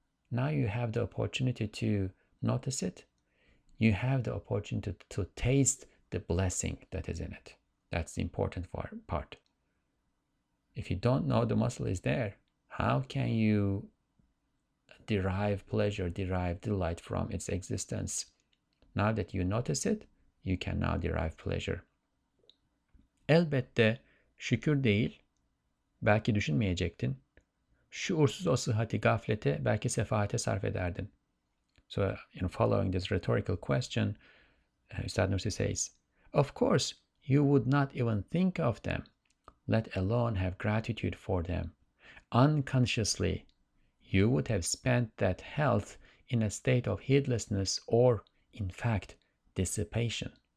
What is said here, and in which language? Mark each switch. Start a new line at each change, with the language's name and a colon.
English: Now you have the opportunity to notice it. You have the opportunity to taste the blessing that is in it. That's the important part. If you don't know the muscle is there, how can you derive pleasure, derive delight from its existence? Now that you notice it, you can now derive pleasure.
Turkish: Elbette şükür değil, belki düşünmeyecektin. Şuursuz o sıhhati gaflete, belki sefahate sarf ederdin.
English: So, following this rhetorical question, Üstad Nursi says, of course, you would not even think of them, let alone have gratitude for them. Unconsciously, you would have spent that health in a state of heedlessness or, in fact, dissipation.